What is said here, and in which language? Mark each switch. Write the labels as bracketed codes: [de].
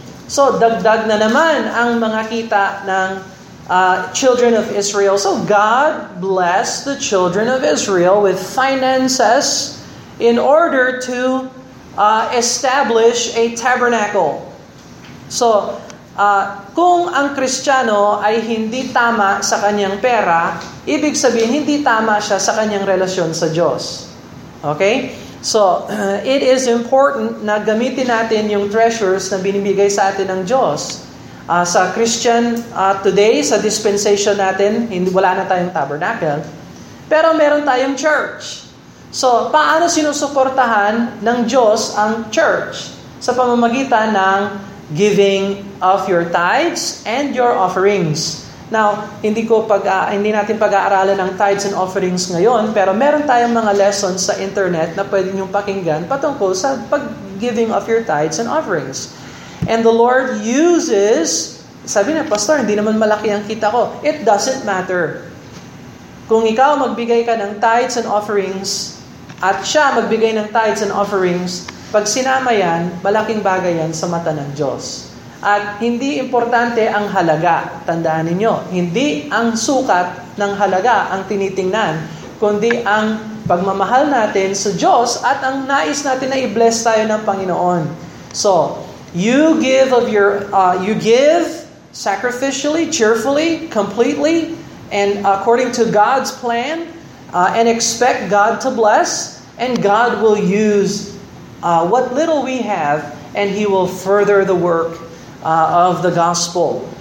[tl] So, dagdag na naman ang mga kita ng children of Israel. [en] So, God blessed the children of Israel with finances in order to establish a tabernacle. [tl] So, kung ang Kristiyano ay hindi tama sa kanyang pera, ibig sabihin, hindi tama siya sa kanyang relasyon sa Diyos. Okay? So, it is important na gamitin natin yung treasures na binibigay sa atin ng Diyos. Sa Christian today, sa dispensation natin, wala na tayong tabernacle, pero meron tayong church. So, paano sinusuportahan ng Diyos ang church? [en] Sa pamamagitan ng giving of your tithes and your offerings. [tl] Now, hindi natin pag-aaralan ng tithes and offerings ngayon, pero meron tayong mga lessons sa internet na pwede niyong pakinggan patungkol sa pag-giving of your tithes and offerings. And the Lord uses, sabi na, Pastor, hindi naman malaki ang kita ko. It doesn't matter. Kung ikaw magbigay ka ng tithes and offerings, at siya magbigay ng tithes and offerings, pag sinama yan, malaking bagay yan sa mata ng Diyos. At hindi importante ang halaga, tandaan ninyo. Hindi ang sukat ng halaga ang tinitingnan, kundi ang pagmamahal natin sa Diyos at ang nais natin na i-bless tayo ng Panginoon. [en] So, you give of your you give sacrificially, cheerfully, completely, and according to God's plan, and expect God to bless, and God will use what little we have, and He will further the work of the gospel.